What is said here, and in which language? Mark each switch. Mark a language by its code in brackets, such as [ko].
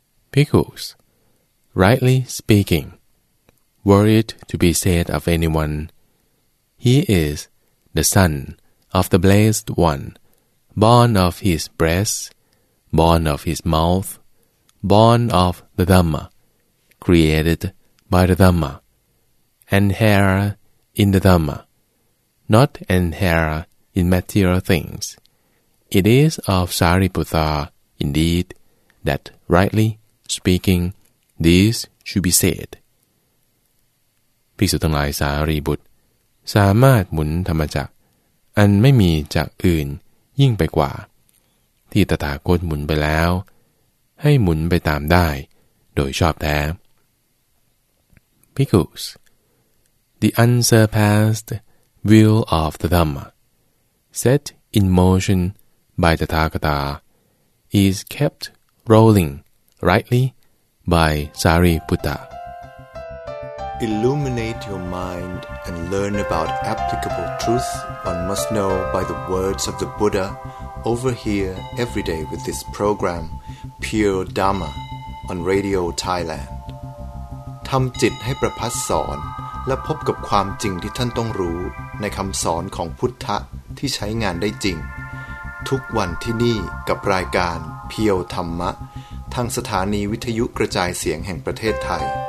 [en] Bhikkhus, rightly speaking, were it to be said of anyone, he is the son of the Blessed One, born of his breast, born of his mouth, born of the Dhamma, created by the Dhamma, and heir in the Dhamma, not an heir in material things. It is of Sariputta, indeed, that, rightly speaking, this should be said. [th] ภิกษุทั้งหลายสารีบุตรสามารถหมุนธรรมจักรอันไม่มีจักรอื่นยิ่งไปกว่าที่ตถาคตหมุนไปแล้วให้หมุนไปตามได้โดยชอบแท้ [en] Bhikkhus, the unsurpassed will of the Dhamma, set in motion by the Tathagata, is kept rolling rightly by Sariputta. Illuminate your mind and learn about applicable truth one must know by the words of the Buddha over here every day with this program, Pure Dhamma, on Radio Thailand. [th] ทำจิตให้ประพัสสอนและพบกับความจริงที่ท่านต้องรู้ในคำสอนของพุทธะที่ใช้งานได้จริงทุกวันที่นี่กับรายการ Pure Dhamma ทางสถานีวิทยุกระจายเสียงแห่งประเทศไทย